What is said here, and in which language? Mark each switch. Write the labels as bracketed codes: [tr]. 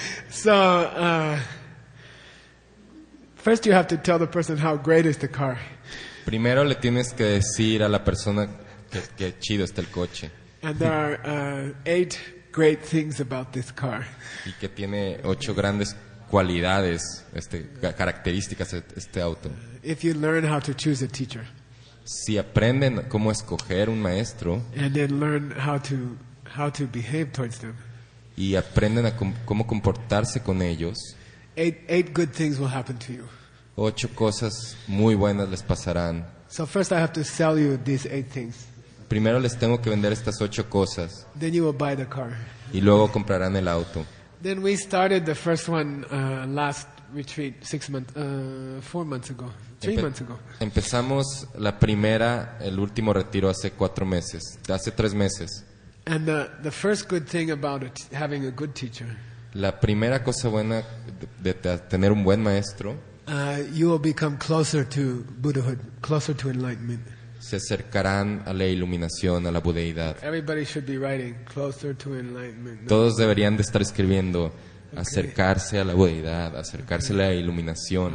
[en] So first you have to tell the person how great is the car. [es] Primero le tienes que decir a la persona que chido está el coche. [en] And there are 8 great things about this car. [es] Y que tiene 8 grandes cualidades, características este auto. [en] If you learn how to choose a teacher. [es] Si aprenden cómo escoger un maestro. [en] And then learn how to behave towards them. [es] Y aprenden a cómo comportarse con ellos. [en] 8 good things will happen to you. [es] 8 cosas muy buenas les pasarán. [en] So first I have to sell you these 8 things. [es] Primero les tengo que vender estas 8 cosas. [en] Then you will buy the car. [es] Y luego comprarán el auto. [en] Then we started the first one last retreat 4 months ago. 3 months ago. [es] Empezamos el último retiro hace 3 meses. [en] And the first good thing about it, having a good teacher. [es] La primera cosa buena de tener un buen maestro. [en] You will become closer to Buddhahood, closer to enlightenment. [es] Se acercarán a la iluminación, a la budeidad. [en] Everybody should be writing closer to enlightenment. No? [es] Todos deberían de estar escribiendo acercarse a la budeidad, acercarse a la iluminación.